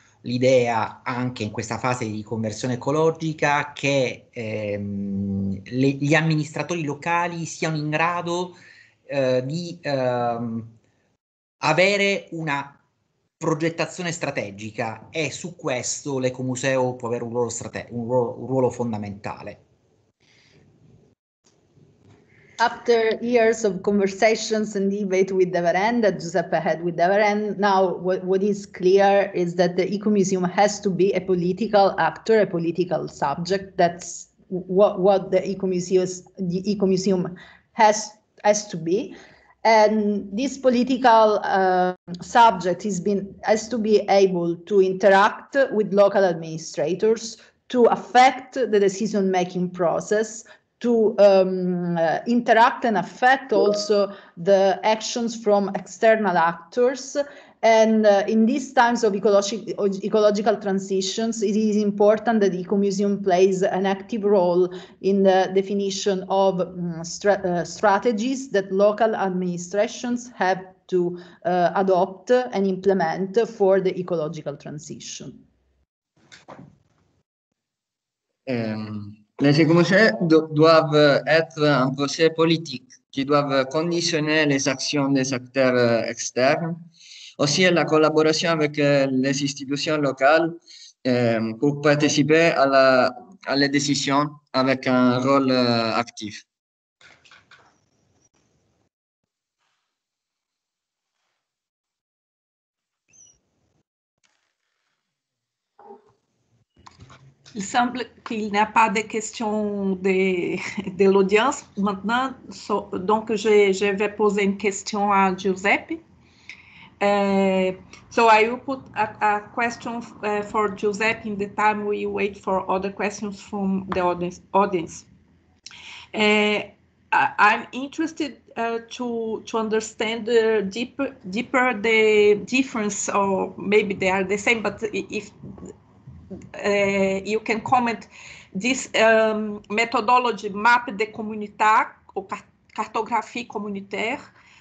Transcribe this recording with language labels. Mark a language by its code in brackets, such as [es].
[it] l'idea anche in questa fase di conversione ecologica che gli amministratori locali siano in grado di avere una progettazione strategica, e su questo l'ecomuseo può avere un ruolo, ruolo fondamentale. [en] After years of conversations and debate with the Varenne, that Giuseppe had with the Varenne, now what is clear is that the Ecomuseum has to be a political actor, a political subject. That's what the Ecomuseum has to be. And this political subject has to be able to interact with local administrators, to affect the decision-making process, to interact and affect also the actions from external actors. And in these times of ecological transitions, it is important that the Ecomuseum plays an active role in the definition of strategies that local administrations have to adopt and implement for the ecological transition. [fr] Les écomusées doivent être un projet politique qui doit conditionner les actions des acteurs externes, aussi la collaboration avec les institutions locales pour participer à la décision avec un rôle actif. Il semble qu'il n'y a pas de questions de l'audience maintenant, donc je vais poser une question à Giuseppe. [en] So I will put a question for Giuseppe in the time we wait for other questions from the audience. I'm interested to understand deeper the difference, or maybe they are the same, but if you can comment this methodology, map [fr] de communauté ou cartographie communautaire,